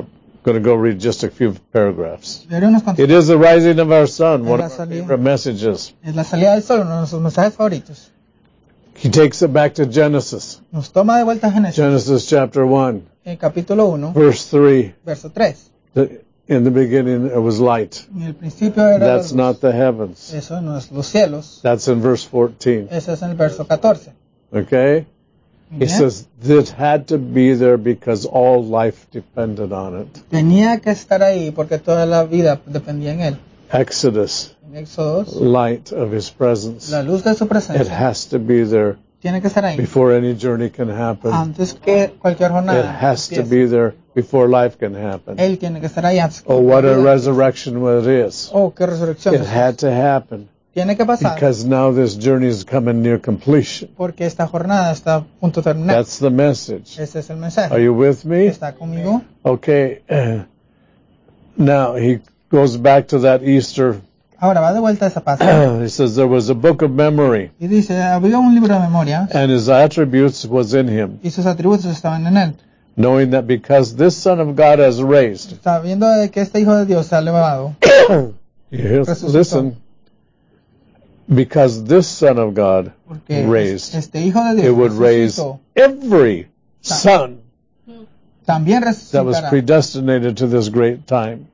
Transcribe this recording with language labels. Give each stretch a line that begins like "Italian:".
English: I'm going to go read just a few paragraphs.
Spanish: Veremos cuántos.
English: It is the rising of our sun, one of our favorite messages.
Spanish: Es la salida del sol, uno de nuestros mensajes favoritos.
English: He takes it back to Genesis.
Spanish: Nos toma de vuelta a Génesis.
English: Genesis chapter 1.
Spanish: En capítulo 1.
English: Verse 3.
Spanish: Verso 3.
English: In the beginning it was light.
Spanish: En el principio era
English: That's Not the heavens.
Spanish: Eso no es los cielos.
English: That's in verse 14.
Spanish: Eso es en el verso 14.
English: Okay? He says, this had to be there because all life depended on it.
Spanish: Tenía que estar ahí porque toda la vida dependía en él.
English: Exodus. Exodus, light of his presence.
Spanish: La luz de su presencia.
English: It has to be there.
Spanish: Tiene que estar ahí.
English: Before any journey can happen.
Spanish: Antes que cualquier jornada.
English: It has
Spanish: empiece.
English: To be there before life can happen.
Spanish: Él tiene que estar ahí antes.
English: Oh, what a resurrection it is.
Spanish: Oh, qué resurrección.
English: It had to happen.
Spanish: Tiene que pasar.
English: Because now this journey is coming near completion.
Spanish: Porque esta jornada está a punto de terminar.
English: That's the message.
Spanish: Ese es el mensaje.
English: Are you with me?
Spanish: ¿Está conmigo?
English: Okay. Now he goes back to that Easter.
Spanish: Ahora va de vuelta a esa pasada.
English: He says there was a book of memory.
Spanish: Y dice, había un libro de memoria.
English: And his attributes was in him.
Spanish: Y sus atributos estaban en él.
English: Knowing that because this Son of God has raised.
Spanish: Sabiendo que este Hijo de Dios se ha elevado.
English: Listen. Because this Son of God
Spanish: Porque
English: raised,
Spanish: este Hijo de Dios
English: it would raise every son
Spanish: también resucitará
English: that was predestinated to this great time.